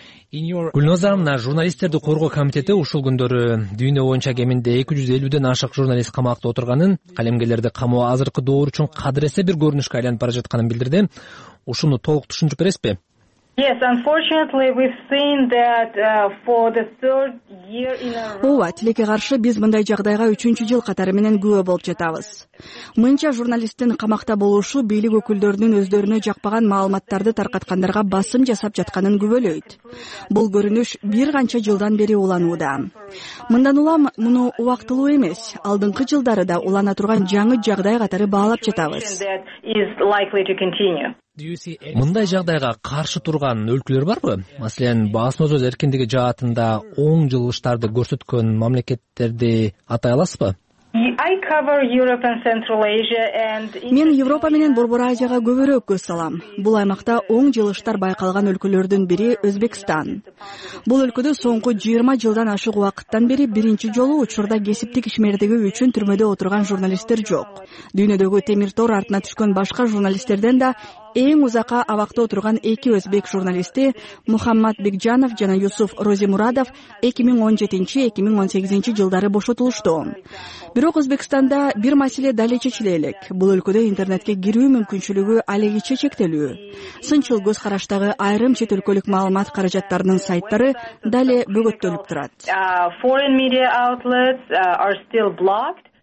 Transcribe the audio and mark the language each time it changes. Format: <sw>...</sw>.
<ky>Гүлноза, мына журналисттерди коргоо комитети ушул күндөрү дүйнө боюнча кеминде 250 ашык журналист камакта отурганын, калемгерлерди камоо азыркы доор үчүн кадыресе бир көрүнүшкө айланып бара жатканын билдирди. Ушуну толук түшүнүп бересизби?</ky> <en>Yes, unfortunately we've seen that for the third year in a row.</en> <ky>Ооба, тилекке каршы биз мындай жагдайга 3-чү жыл катары менен күбө болуп жатабыз. Мынча журналисттин камакта болушу бийлик өкүлдөрүнүн өздөрүнө жакпаган маалыматтарды таркаткандарга басым жасап жатканын күбөлөйт. Бул көрүнүш бир канча жылдан бери уланууда. Мындан улам муну убактылуу эмес, алдыңкы жылдары да улана турган жаңы жагдай катары баалап жатабыз. Мындай жагдайга каршы турган өлкөлөр барбы? Маселен, басмасыз сөз эркиндиги жаатында оң жылыштарды көрсөткөн мамлекеттерди атай аласызбы?</ky> <en>I cover Europe and Central Asia and</en> <ky>Мен Европа менен Борбор Азияга көбүрөөк көз салам. Бул аймакта оң жылыштар байкалган өлкөлөрдүн бири Өзбекстан. Бул өлкөдө соңку 20 жылдан ашык убакыттан бери биринчи жолу учурда кесиптик ишмердиги үчүн түрмөдө отурган журналисттер жок. Дүйнөдөгү темир тор артына түшкөн башка журналисттерден да эң узакка абакта отурган эки өзбек журналисти Мухаммад Бекжанов жана Юсуф Розимурадов 2017-2018 жылдары бошотулушту. Бирок Өзбекстанда бир маселе дале чечиле элек. Бул өлкөдө интернетке кирүү мүмкүнчүлүгү алегиче чектелүү. Сынчыл көз караштагы айрым чет өлкөлүк маалымат каражаттарынын сайттары дале бөгөттөлүп турат.</ky> <en>Foreign media outlets are still blocked.</en>